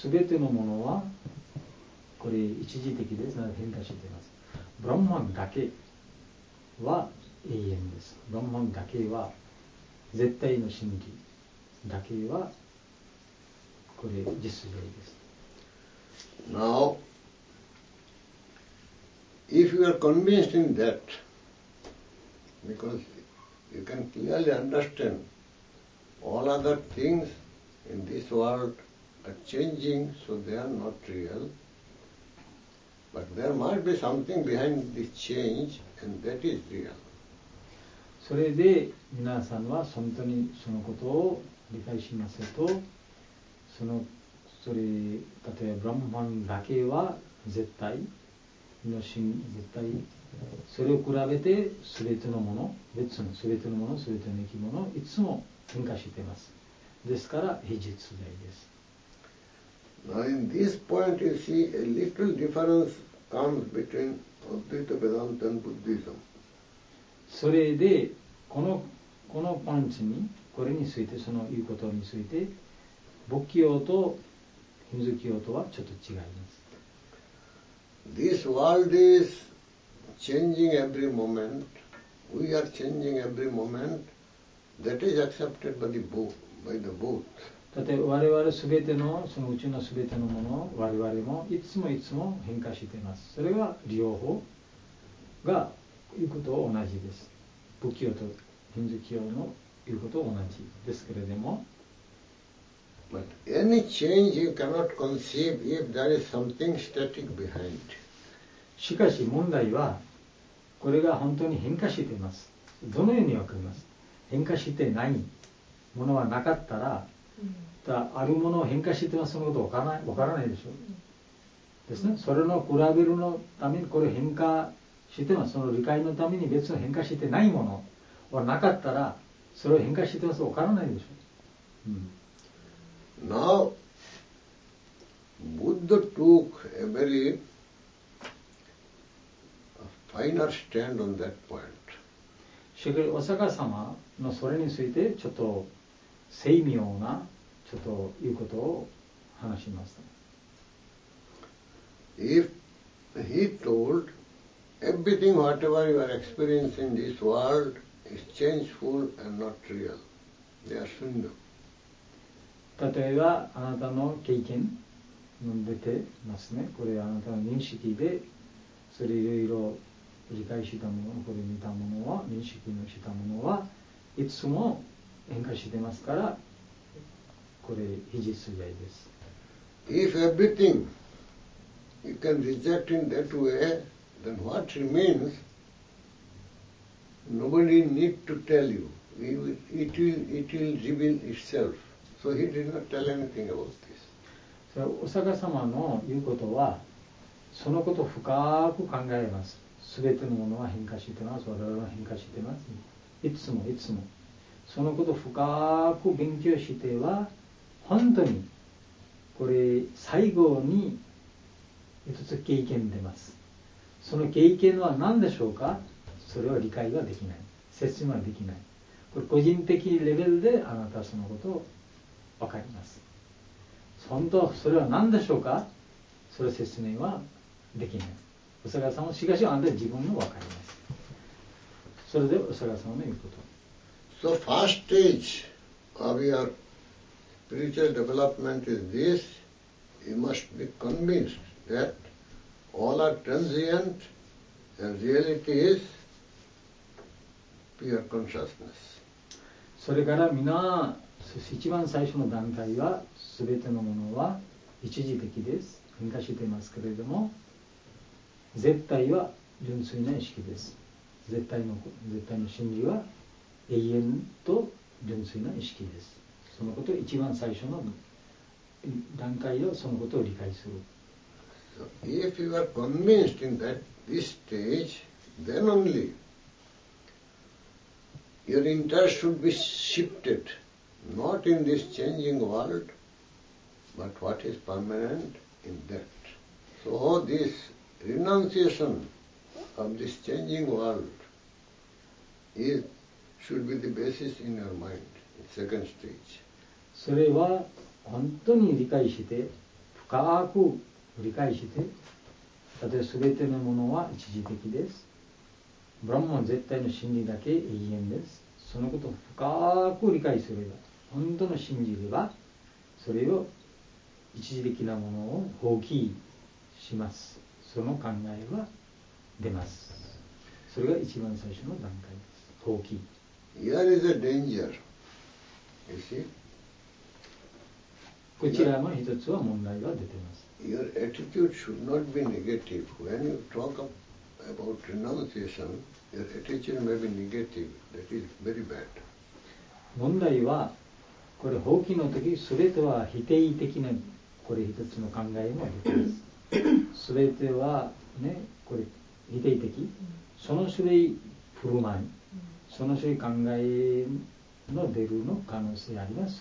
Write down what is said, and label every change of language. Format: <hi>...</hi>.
<ja>すべてのものはこれ一時的です。変化しています。ブランマンだけは永遠です。ブランマンだけは絶対の真理だけはこれ実在です。</ja> <en>Now, if you are convinced in that, because you can clearly understand all other things in this world are changing, so they are not real. But there must be something behind this change, and that is real.</en> <ja>それで皆さんは本当にそのことを理解しますと、それ例えばブラッマンだけは絶対の真絶対、それを比べて全てのもの、別の全てのもの、全ての生き物いつも変化しています。ですから非実在です。</ja> <en>Now in this point you see a little difference comes between Advaita Vedanta and Buddhism。</en> <ja>それでこのパンチに、これについて、その言うことについて、仏教とヒンズー教とはちょっと違います。</ja> <en>This world is changing every moment. We are changing every moment. That is accepted by the Buddha.</en> <ja>だって我々すべての、その宇宙のすべてのもの、我々もいつもいつも変化しています。それは両方が言うことを同じです。仏教とヒンズー教の言うことは同じですけれども。</ja> <en>But any change you cannot conceive if there is something static behind.</en> <ja>しかし問題は、これが本当に変化しています。どのようにわかります？変化してないものはなかったら、あるものを変化してます、そのことわからない、わからないでしょう。ですね。それの比べるのために、これ変化してます。その理解のために別の変化してないものはなかったら、それを変化してます、わからないでしょう。うん、</ja> <en>Now, Buddha took a very finer stand on that point.</en> <ja>しかし、お釈迦様のそれについてちょっと精妙なちょっということを話しました。</ja> <en>If he told everything whatever you are experiencing in this world is changeful and not real, they are shunya.</en> <ja>例えばあなたの経験も出てますね。これはあなたの認識で、それいろいろ理解したもの、これ見たものは、認識のしたものはいつも変化してますから、これ非実在です。</ja> <en>If everything you can reject in that way, then what remains nobody need to tell you, it will reveal itselfSo he did not tell anything about this.</en> <ja>So, お釈迦様の言うことは、そのことを深く考えます。すべてのものは変化しています。我々は変化しています。いつもいつも。そのことを深く勉強しては、本当に、これ、最後に一つ経験出ます。その経験は何でしょうか？それは理解はできない。説明はできない。これ、個人的レベルであなたはそのことを分かります。本当それは何でしょうか？それ説明はできない。お釈迦様、しかしあなた自分も分かります。それでお釈迦様の言うこと、</ja> <en>So first stage of your spiritual development is this. You must be convinced that all are transient and reality is pure consciousness.</en> <ja>それから皆、一番最初の段階は、すべてのものは一時的です。変化していますけれども、絶対は純粋な意識です。絶対の真理は永遠と純粋な意識です。そのことを一番最初の段階をそのことを理解する。</ja> <en>So, if you are convinced in that this stage, then only your interest should be shifted. Not in this changing world, but what is permanent in that. So this renunciation of this changing world is should be the basis in your mind, in second stage.</en> <ja>それは本当に理解して、深く理解して、例えばすべてのものは一時的です。ブラッマン絶対の真理だけ永遠です。そのことを深く理解すれば、本当の真実は、それを一時的なものを放棄します。その考えは出ます。それが一番最初の段階です。放棄。</ja> <en>Here is a danger. You see?</en> <ja>こちらも一つは問題が出てます。</ja> <en>Your attitude should not be negative. When you talk about renunciation, your attitude may be negative. That is very bad.</en> <ja>問題は、これ放棄の時、それとは否定的な、これ一つの考えも出てます。それとは、ね、これ否定的、その種類振る舞い、その種類考えの出るの可能性あります。</ja>